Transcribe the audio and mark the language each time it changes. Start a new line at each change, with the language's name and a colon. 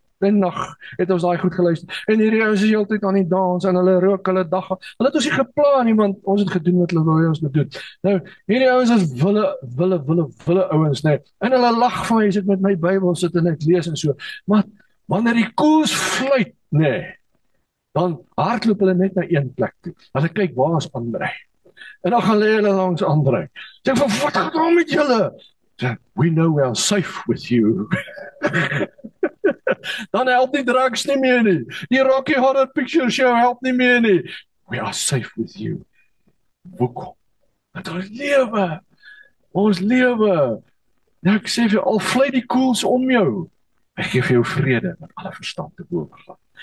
Afrikaans: En nog het ons daai goed geluister. En hierdie ouens is heeltyd aan die dans en hulle rook hulle dag. Hulle het ons nie geplan nie, want ons het gedoen wat hulle wou ons moet doen. Nou, hierdie ouens is wille ouens, nê. En hulle lag van my, sit met my Bybel sit en ek lees en so. Maar wanneer die koers fluit, nê, dan hardloop hulle net na een plek toe. Hulle kyk waar is Andrei. En dan gaan hulle langs Andrei. Sê van wat gaan doen met julle?
English: We know we are safe with you.
Afrikaans: Dan help die drugs nie meer nie. Die Rocky Horror Picture Show help nie meer nie.
English: We are safe with you.
Afrikaans: Hoekom? Want ons lewe. Ons lewe. Nou ek sê vir jou, al vlieg die koels om jou, ek geef jou vrede met alle verstand te bowe gaan.